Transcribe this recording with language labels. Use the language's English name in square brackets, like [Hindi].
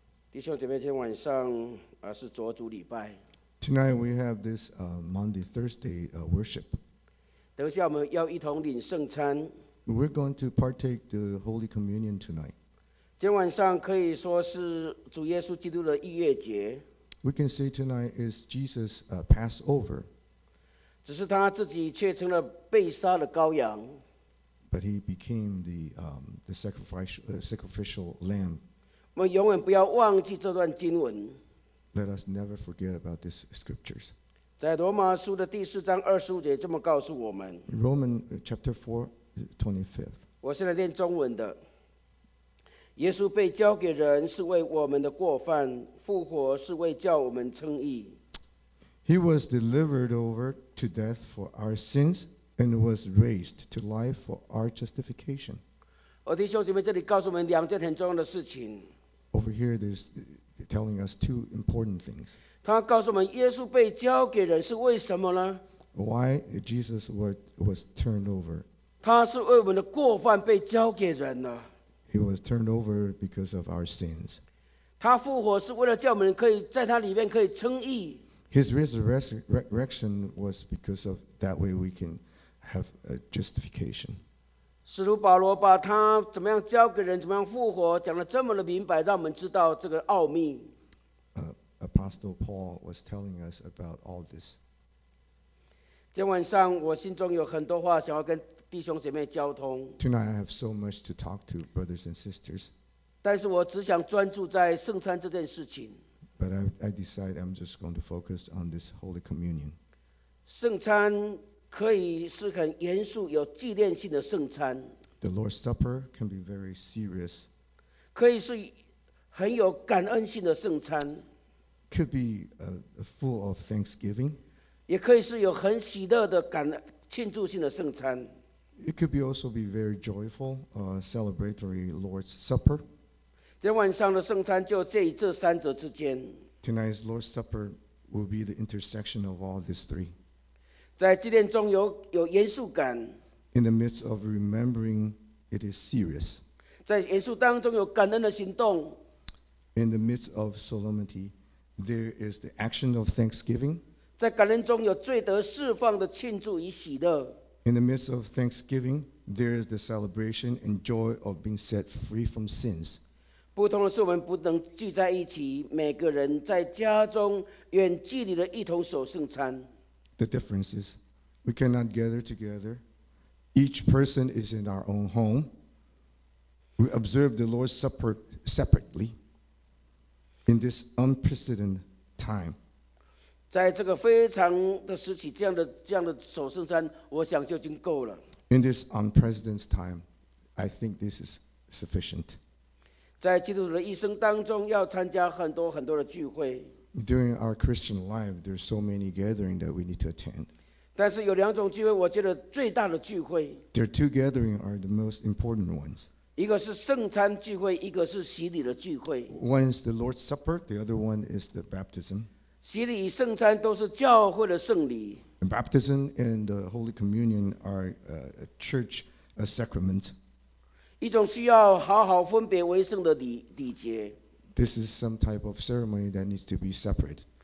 [Chinese] 弟兄姐妹，今天晚上是着主礼拜。 [English] Tonight we have this Monday Thursday worship. [Chinese] 等下我们要一同领圣餐。 [English] We're going to partake the Holy Communion tonight. [Chinese] 今天晚上可以说是主耶稣基督的逾越节。 [English] We can say tonight is Jesus' Passover. [Chinese] 只是他自己却成了被杀的羔羊。 [English] But he became the sacrificial lamb. [Chinese] 我们永远不要忘记这段经文。 [English] Let us never forget about these scriptures. [Chinese] 在罗马书的第四章二十五节这么告诉我们。 [English] Roman chapter 4:25. [Chinese] 我现在念中文的。耶稣被交给人是为我们的过犯，复活是为叫我们称义。 [English] He was delivered over to death for our sins and was raised to life for our justification. [Chinese] 我弟兄姐妹，这里告诉我们两件很重要的事情。 [English] Over here, there's telling us two important things. [Chinese] 他告诉我们，耶稣被交给人是为什么呢 [English] ？Why Jesus was turned over? [Chinese] 他是为我们的过犯被交给人了。 [English] He was turned over because of our sins. [Chinese] 他复活是为了叫我们可以在他里面可以称义。 [English] His resurrection was because of that way we can have a justification. [Chinese] 使徒保罗把他怎么样交给人，怎么样复活，讲得这么的明白，让我们知道这个奥秘。 [English] Apostle Paul was telling us about all this. [Chinese] 今天晚上我心中有很多话想要跟弟兄姐妹交通。 [English] Tonight I have so much to talk to brothers and sisters. [Chinese] 但是我只想专注在圣餐这件事情。 [English] But I decide I'm just going to focus on this Holy Communion. [Chinese] 圣餐可以是很严肃有纪念性的圣餐。 [English] The Lord's Supper can be very serious. [Chinese] 可以是很有感恩性的圣餐。 [English] Could be full of thanksgiving. [Chinese] 也可以是有很喜乐的感庆祝性的圣餐。 [English] It could be also be very joyful, celebratory Lord's Supper. [Chinese] 今天晚上的圣餐就介于这三者之间。 [English] Tonight's Lord's Supper will be the intersection of all these three. [Chinese] 在纪念中 有严肃感。 [English] In the midst of remembering, it is serious. [Chinese] 在严肃当中有感恩的行动。 [English] In the midst of solemnity, there is the action of thanksgiving. [Chinese] 在感恩中有罪得释放的庆祝与喜乐。 [English] In the midst of thanksgiving, there is the celebration and joy of being set free from sins. [Chinese] 不同的是我们不能聚在一起，每个人在家中远距离的一同守圣餐。 [English] The difference is, we cannot gather together. Each person is in our own home. We observe the Lord's Supper separately in this unprecedented time. [Chinese] 在这个非常的时期，这样的守圣餐，我想就已经够了。 [English] In this unprecedented time, I think this is sufficient. [Chinese] 在基督徒的一生当中，要参加很多很多的聚会。 [English] During our Christian life, there are so many gatherings that we need to attend. [Chinese] 但是有两种聚会，我觉得最大的聚会。 [English] There are two gatherings are the most important ones. [Chinese] 一个是圣餐聚会，一个是洗礼的聚会。 [English] One is the Lord's Supper, the other one is the baptism. [Chinese] 洗礼与圣餐都是教会的圣礼。 [English] The baptism and the Holy Communion are a church sacrament. [Chinese] 一种需要好好分别为圣的礼节。 [English] This is some type of ceremony that needs to be separate.